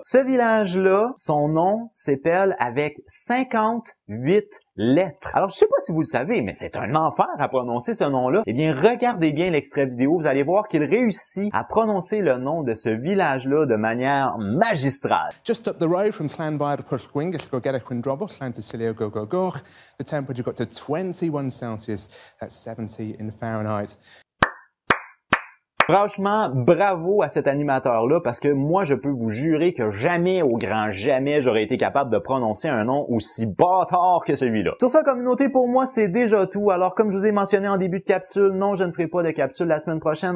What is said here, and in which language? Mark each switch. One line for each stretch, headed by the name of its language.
French: Ce village-là, son nom s'épelle avec 58 lettres. Alors, je sais pas si vous le savez, mais c'est un enfer à prononcer ce nom-là. Eh bien, regardez bien l'extrait vidéo. Vous allez voir qu'il réussit à prononcer le nom de ce village-là de manière magistrale.
English: Just up the road from Llanbair to Pwllgwyng, go get a quindrobwll, Llantysilio, go, go, go. The temperature got to 21 Celsius, that's 70 in Fahrenheit.
French: Franchement, bravo à cet animateur-là parce que moi, je peux vous jurer que jamais, au grand jamais, j'aurais été capable de prononcer un nom aussi bâtard que celui-là. Sur ça, communauté, pour moi, c'est déjà tout. Alors, comme je vous ai mentionné en début de capsule, non, je ne ferai pas de capsule la semaine prochaine.